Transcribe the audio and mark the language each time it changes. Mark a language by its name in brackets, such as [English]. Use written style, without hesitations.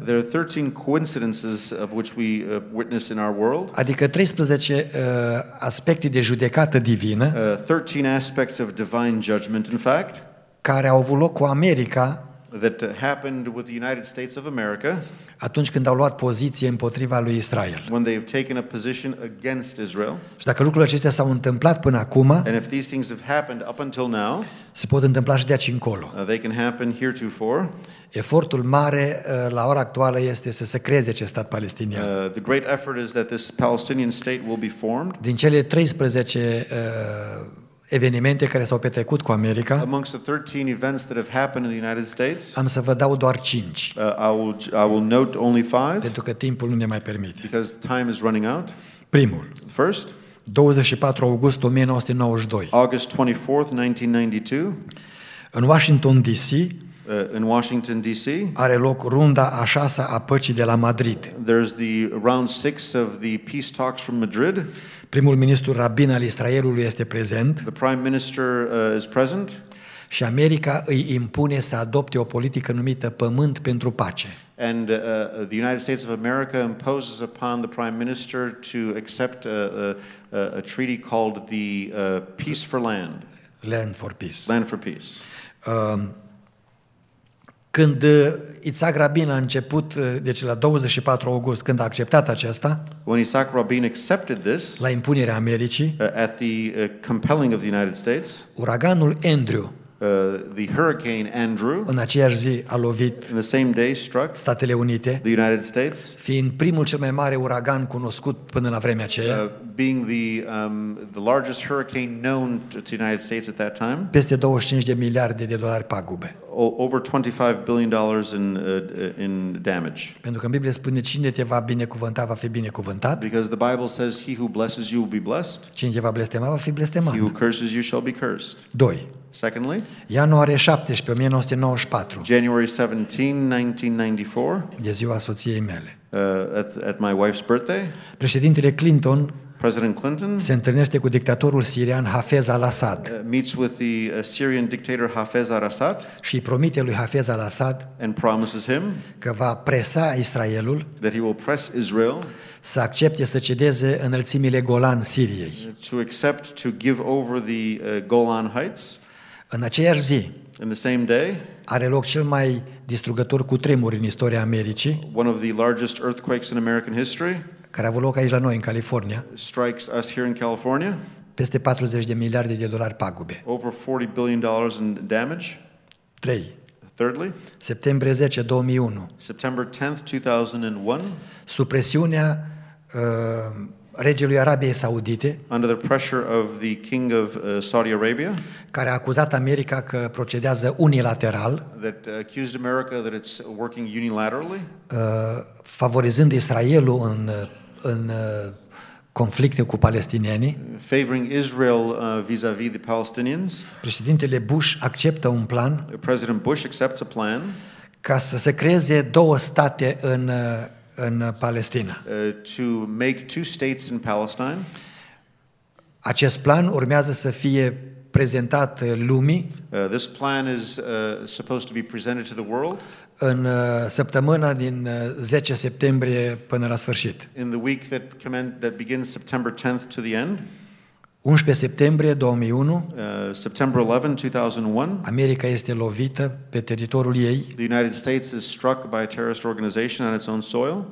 [English] There are 13 coincidences of which we witness in our world. [Romanian] Adică 13 aspecte de judecată divină. [English] 13 aspects of divine judgment, in fact. [Romanian] Care au avut loc cu America. [English] That happened with the United States of America. [Romanian] Atunci când au luat poziție împotriva lui Israel. [English] When they have taken a position against Israel. [Romanian] Și dacă lucrurile acestea s-au întâmplat până acum, [English] and if these things have happened up until now, [Romanian] se pot întâmpla și de aici încolo. [English] They can happen heretofore. [Romanian] Efortul mare la ora actuală este să se creeze acest stat palestinian. [English] The great effort is that this Palestinian state will be formed. [Romanian] Din cele 13 evenimente care s-au petrecut cu America. [English] Amongst the 13 events that have happened in the United States. [Romanian] Am să vă dau doar 5. [English] I will note only 5. [Romanian] Pentru că timpul nu ne mai permite. [English] Because time is running out. [Romanian] Primul. [English] First. [Romanian] 24 august 1992. [English] August 24th, 1992. [Romanian] În Washington DC. [English] In Washington DC. [Romanian] Are loc runda a 6-a a păcii de la Madrid. [English] There's the round 6 of the peace talks from Madrid. [Romanian] Primul ministru rabin al Israelului este prezent. [English] The prime minister is present. [Romanian] Și America îi impune să adopte o politică numită Pământ pentru Pace. [English] And the United States of America imposes upon the prime minister to accept a treaty called the Peace for Land. Land for Peace. Land for Peace. [Romanian] Când Itzhak Rabin a început, deci la 24 august, când a acceptat aceasta, [English] when Itzhak Rabin accepted this, [Romanian] la impunerea Americii, [English] at the compelling of the United States, [Romanian] uraganul Andrew, [English] the hurricane Andrew, [Romanian] în aceeași zi a lovit, [English] in the same day struck, [Romanian] Statele Unite, [English] the United States, [Romanian] fiind primul cel mai mare uragan cunoscut până la vremea aceea, [English] being the largest hurricane known to the United States at that time, [Romanian] peste 25 de miliarde de dolari pagube. [English] Over $25 billion in damage. [Romanian] Pentru că în Biblie spune cine te va binecuvânta va fi binecuvântat. [English] Because the Bible says he who blesses you will be blessed. [Romanian] Cine te va blestema va fi blestemat. [English] He who curses you shall be cursed. [Romanian] 2. [English] Secondly. [Romanian] Ianuarie 17, 1994. [English] January 17, 1994. [Romanian] De ziua soției mele. [English] At my wife's birthday. [Romanian] Președintele Clinton. [English] President Clinton [Romanian] se întâlnește cu dictatorul sirian Hafez al-Assad. [English] Meets with the Syrian dictator Hafez al-Assad. [Romanian] Și promite lui Hafez al-Assad. [English] And promises him [Romanian] că va presa Israelul. [English] That he will press Israel. [Romanian] Să accepte să cedeze înălțimile Golan Siriei. [English] To accept to give over the Golan Heights. [Romanian] În aceeași zi. [English] In the same day. [Romanian] Are loc cel mai distrugător cutremur în istoria Americii. [English] One of the largest earthquakes in American history. [Romanian] Care a avut loc aici la noi, în California, [English] strikes us here in California, [Romanian] peste 40 de miliarde de dolari pagube. [English] Over $40 billion in damage. [Romanian] 3. [English] Thirdly, [Romanian] septembrie 10, 2001. [English] September 10, 2001. [Romanian] Supresiunea regelui Arabiei Saudite, [English] under the pressure of the king of Saudi Arabia, [Romanian] care a acuzat America că procedează unilateral, [English] that accused America that it's working unilaterally, [Romanian] favorizând Israelul în conflicte cu palestinienii, [English] favoring Israel vis-a-vis the Palestinians, [Romanian] președintele Bush acceptă un plan, [English] President Bush accepts a plan, [Romanian] ca să se creeze două state în în Palestina. [English] To make two states in Palestine. [Romanian] Acest plan urmează să fie prezentat lumii. [English] This plan is supposed to be presented to the world. [Romanian] În săptămâna din 10 septembrie până la sfârșit. [English] In the week that begins September 10th to the end. [Romanian] 11 septembrie 2001. [English] September 11, 2001. [Romanian] America este lovită pe teritoriul ei. [English] The United States is struck by a terrorist organization on its own soil.